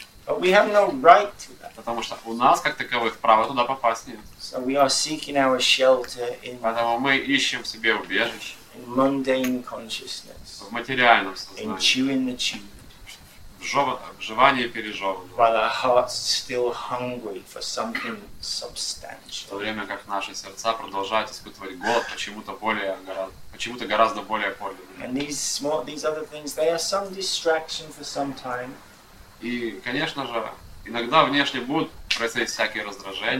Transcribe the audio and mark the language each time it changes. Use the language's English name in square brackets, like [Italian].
[English] But we have no right to that. [Russian] Потому что у нас, как таковых, права туда попасть нет. [English] So we are seeking our shelter in... [Russian] Поэтому мы ищем в себе убежище. [English] In mundane consciousness. [Russian] В материальном сознании. [English] In chewing the chew. [Russian] Вживание пережеванного. [English] While our hearts still hungry for something substantial. [Russian] В то время как наши сердца продолжают испытывать голод почему-то гораздо более подлинным. [English] And these other things, they are some distraction for some time. [Russian] И, конечно же, иногда внешне будут происходить всякие раздражения.